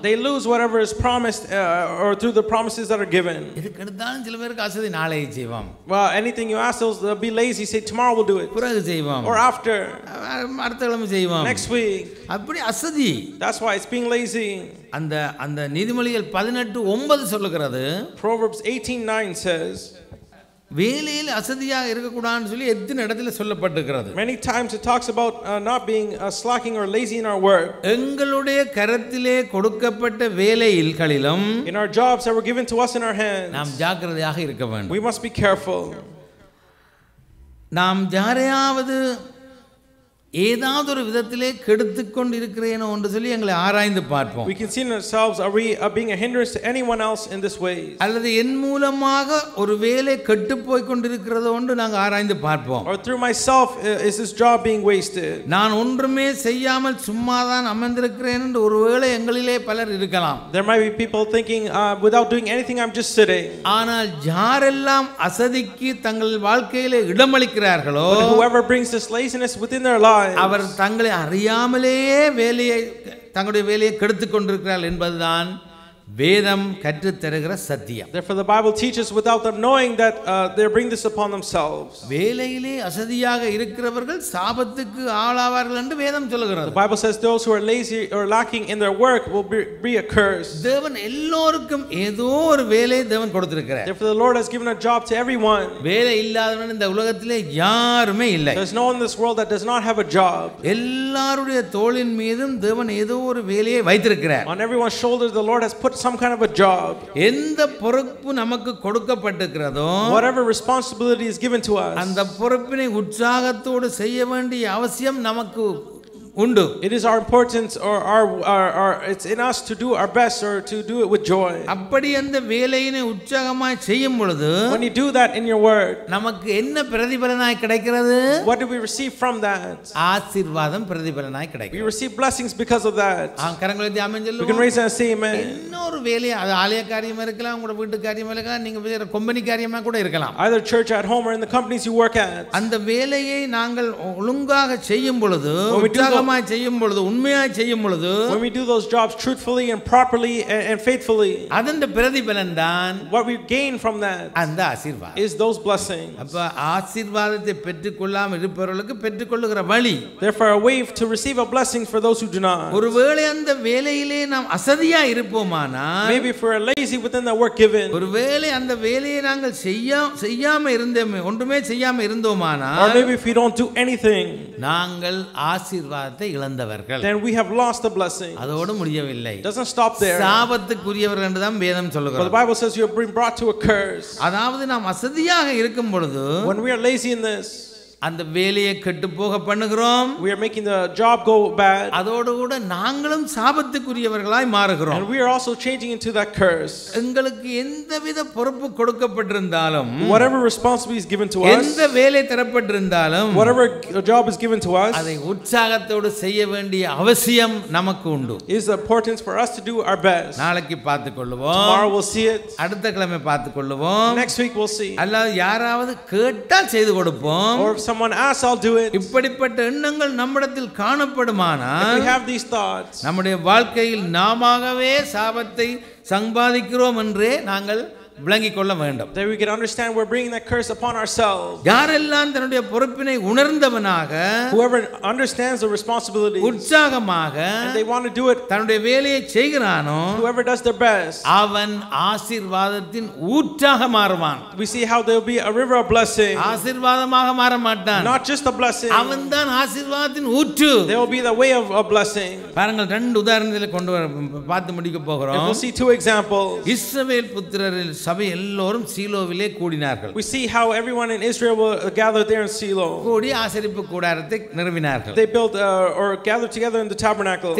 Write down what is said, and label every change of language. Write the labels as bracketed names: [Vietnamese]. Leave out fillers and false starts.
[English] They lose whatever is promised or through the promises that are given. [Tamil] இதுக்கெடுத்தாலும் சில பேருக்கு அசதி நாளை செய்வோம். [English] Well, anything you ask us be lazy say tomorrow we'll do it. [Tamil] பிறகு செய்வோம். [English] Or after [Tamil] அடுத்த கிழமை செய்வோம். [English] Next week. [Tamil] அப்படி அசதி. [English] That's why it's being lazy. [Tamil] அந்த நீதிமொழிகள் 18:9 சொல்கிறது. [English] Proverbs 18:9 says [Tamil] வேலையில் அசதியாக இருக்கக்கூடாதுன்னு சொல்லி எத்தனை இடத்துல சொல்லப்பட்டிருக்கிறது. [English] Many times it talks about not being slacking or lazy in our work. [Tamil] எங்களுடைய கரத்திலே கொடுக்கப்பட்ட வேலைகளிலும் [English] in our jobs that were given to us in our hands [Tamil] நாம் ஜாக்கிரதையாக இருக்க வேண்டும். [English] We must be careful. [Tamil] நாம் யாரையாவது ஏதாவது ஒரு விதத்திலே கெடுத்துக்கொண்டு இருக்கிறேனோ என்று சொல்லி எங்களை ஆராய்ந்து பார்ப்போம். [English] We can see in ourselves are we being a hindrance to anyone else in this way. [Tamil] அல்லது என் மூலமாக ஒரு வேலை கெட்டு போய் கொண்டிருக்கிறதோ என்று நாங்கள் ஆராய்ந்து பார்ப்போம். [English] Or through myself is this job being wasted. [Tamil] நான் ஒன்றுமே செய்யாமல் சும்மா தான் அமர்ந்திருக்கிறேன் என்று ஒருவேளை எங்களிலே பலர் இருக்கலாம். [English] There might be people thinking without doing anything I'm just sitting. [Tamil] ஆனால் யாரெல்லாம் அசதிக்கு தங்கள் வாழ்க்கையிலே இடம் அளிக்கிறார்களோ [English] whoever brings this laziness within their life [Tamil] அவர் தங்களை அறியாமலேயே தங்களுடைய கெடுத்துக் கொண்டிருக்கிறார் என்பதுதான் வேதம் கற்றுத்தருகிற சத்தியம். [English] Therefore the Bible teaches without them knowing that they bring this upon themselves. [Tamil] வேலையிலே அசதியாக இருக்கிறவர்கள் சாபத்துக்கு ஆளாவார்கள் என்று வேதம் சொல்கிறது. [English] The Bible says those who are lazy or lacking in their work will be a curse. [Tamil] தேவன் எல்லோருக்கும் ஏதோ ஒரு வேலை தேவன் கொடுத்திருக்கிறார். [English] Therefore the Lord has given a job to everyone. [Tamil] வேலை இல்லாதவன் இந்த உலகத்திலே யாருமே இல்லை. [English] There's no one in this world that does not have a job. [Tamil] எல்லாருடைய தோளின் மீதும் தேவன் ஏதோ ஒரு வேலையை வைத்திருக்கிறார். [English] On everyone's shoulders the Lord has put some kind of a job. [Tamil] எந்த பொறுப்பு நமக்கு கொடுக்கப்பட்டிருக்கிறதோ [English] whatever responsibility is given to us [Tamil] அந்த பொறுப்பினை உற்சாகத்தோடு செய்ய வேண்டிய அவசியம் நமக்கு உண்டு. [English] It is our importance or our it's in us to do our best or to do it with joy. [Tamil] அப்படி அந்த வேலையினை உற்சாகமா செய்யும் பொழுது [English] when you do that in your work [Tamil] நமக்கு என்ன பிரதிபலனாய் கிடைக்கிறது? [English] What do we receive from that? [Tamil] ஆசீர்வாதம் பிரதிபலனாய் கிடைக்கும். [English] We receive blessings because of that. [Tamil] கரங்களை தாமஞ்சல்லு [English] we can raise and say amen. [Tamil] இன்னொரு வேலை அது ஆலய காரியம் இருக்கலாம் உங்க வீட்டு காரியம் இருக்கலாம் நீங்க வேற கம்பெனி காரியமா கூட இருக்கலாம். [English] Either church at home or in the companies you work at [Tamil] அந்த வேலையை நாங்கள் ஒழுங்காக செய்யும் பொழுது [English] When we do those jobs truthfully and properly and faithfully [Tamil] அதன் பிரதிபலன் தான் [English] what we gain from that [Tamil] அந்த ஆசீர்வாதம் [English] is those blessings. [Tamil] அப்ப ஆசீர்வாதத்தை பெற்றுக்கொள்ளாம இருப்பவர்களுக்கு பெற்றுக்கொள்ளுகிற வழி [English] therefore a way to receive a blessing for those who do not. [Tamil] ஒருவேளை அந்த வேலையிலே நாம் அசதியா இருப்போமானால் [English] maybe if we're lazy within the work given [Tamil] ஒருவேளை அந்த வேலையை நாங்கள் செய்யாம இருந்தோமே ஒன்றுமே செய்யாம இருந்தோமானால் [English] or maybe if we don't do anything [Tamil] நாங்கள் ஆசீர்வாதம் சாபத்தை இழந்தவர்கள். [English] Then we have lost the blessing. [Tamil] அதோடு முடியவில்லை. [English] Doesn't stop there. [Tamil] சாபத்துக்குரியவர்கள் என்று தான் வேதம் சொல்கிறது. [English] But the Bible says you have been brought to a curse. [Tamil] அதாவது நாம் அசதியாக இருக்கும் பொழுது [English] When we are lazy in this [Tamil] அந்த வேலையை கெட்டு போக பண்ணுகிறோம். [English] We are making the job go bad. [Tamil] அதோடு கூட நாங்களும் சாபத்துக்குரியவர்களாய் மாறுகிறோம். [English] And we are also changing into that curse. [Tamil] எங்களுக்கு எந்தவித பொறுப்பு கொடுக்கப்பட்டிருந்தாலும் [English] Whatever responsibility is given to us. [Tamil] எந்த வேலை தரப்பட்டிருந்தாலும் [English] Whatever job is given to us. [Tamil] அதை உற்சாகத்தோடு செய்ய வேண்டிய அவசியம் நமக்கு உண்டு. [English] It's important for us to do our best. [Tamil] நாளைக்கு பார்த்துக்கொள்வோம். [English] Tomorrow we'll see it. [Tamil] அடுத்த கிழமை பார்த்துக்கொள்வோம். [English] Next week we'll see. [Tamil] அல்லாஹ் யாராவது கேட்டால் செய்து கொடுப்போம். [English] Someone asks, I'll do it. [Tamil] இப்படிப்பட்ட எண்ணங்கள் நம்மிடத்தில் காணப்படுமானால் [English] We have these thoughts. [Tamil] நம்முடைய வாழ்க்கையில் நாமாகவே சாபத்தை சம்பாதிக்கிறோம் என்றே நாங்கள் விளங்கிக் கொள்ள வேண்டும். [English] That we can understand we're bringing that curse upon ourselves. [Tamil] யாரெல்லாம் தன்னுடைய பொறுப்பினை உணர்ந்தவனாக [English] Whoever understands the responsibility [Tamil] உற்சாகமாக [English] And they want to do it. [Tamil] தன்னுடைய வேலையை செய்கிறானோ [English] Whoever does their best. [Tamil] அவன் ஆசீர்வாதத்தின் ஊற்றாக மாறுவான். [English] We see how there will be a river of blessing. [Tamil] ஆசீர்வாதமாக மாற மாட்டான். [English] Not just a blessing. [Tamil] அவன் தான் ஆசீர்வாதத்தின் ஊற்று. [English] There will be the way of a blessing. [Tamil] பாருங்கள் ரெண்டு உதாரணத்தை கொண்டு வர பார்த்து முடிக்க போகிறோம். [English] We'll see two examples. [Tamil] இஸ்ரவேல் புத்திரரில் சபை எல்லோரும் சீலோவிலே கூடினார்கள். [English] We see how everyone in Israel were gathered there in Shiloh. [Tamil] கூடி ஆசரிப்பு கூடாரத்தை நிறுவினார்கள். [English] They built or gathered together in the tabernacle.